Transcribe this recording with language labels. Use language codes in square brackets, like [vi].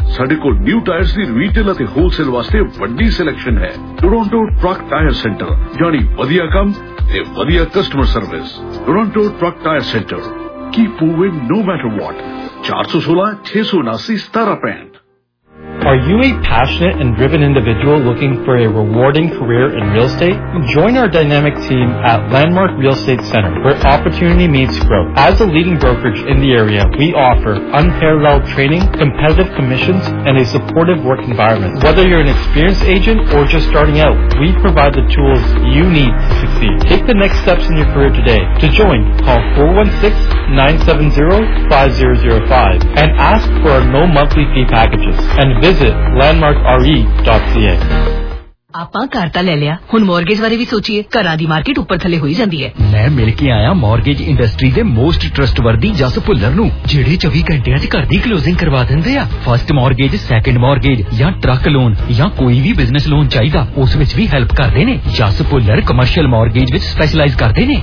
[pa] ਸਾਡੇ ਕੋਲ new tyres ਦੀ retail ਅਤੇ ਹੋਲਸੇਲ ਵਾਸਤੇ ਵੱਡੀ ਸਿਲੈਕਸ਼ਨ ਹੈ। ਟੋਰਾਂਟੋ ਟਰੱਕ ਟਾਇਰ ਸੈਂਟਰ, ਜਾਣੀ ਵਧੀਆ ਕੰਮ ਤੇ ਵਧੀਆ customer service. Toronto truck tyre centre, [en] Keep moving no matter what. [pa] 416-679-1700। [en] Are you a passionate and driven individual looking for a rewarding career in real estate? Join our dynamic team at Landmark Real Estate Center, where opportunity meets growth. As a leading brokerage in the area, we offer unparalleled training, competitive commissions, and a supportive work environment. Whether you're an experienced agent or just starting out, we provide the tools you need to succeed. Take the next steps in your career today. To join, call 416-970-5005 and ask for our no monthly fee packages. And visit landmarkre.ca. [pa] ਆਪਾਂ ਘਰ ਤਾਂ ਲੈ ਲਿਆ ਹੁਣ mortgage ਬਾਰੇ ਵੀ ਸੋਚੀਏ ਘਰਾਂ ਦੀ market ਉੱਪਰ ਥੱਲੇ ਹੋਈ ਜਾਂਦੀ ਹੈ ਮੈਂ ਮਿਲ ਕੇ ਆਇਆ ਮੌਰਗੇਜ ਇੰਡਸਟਰੀ ਦੇ ਮੋਸਟ ਟਰਸਟਵਰਦੀ ਜਸ ਭੁੱਲਰ ਨੂੰ ਜਿਹੜੇ 24 ਘੰਟਿਆਂ 'ਚ ਘਰ ਦੀ ਕਲੋਜ਼ਿੰਗ ਕਰਵਾ ਦਿੰਦੇ ਆ ਫਸਟ ਮੌਰਗੇਜ ਸੈਕਿੰਡ ਮੌਰਗੇਜ ਜਾਂ ਟਰੱਕ ਲੋਨ ਜਾਂ ਕੋਈ ਵੀ ਬਿਜ਼ਨਸ ਲੋਨ ਚਾਹੀਦਾ ਉਸ ਵਿੱਚ ਵੀ ਹੈਲਪ ਕਰਦੇ ਨੇ ਜਸ ਭੁੱਲਰ ਕਮਰਸ਼ੀਅਲ ਮੌਰਗੇਜ ਵਿੱਚ ਸਪੈਸ਼ਲਾਈਜ਼ ਕਰਦੇ ਨੇ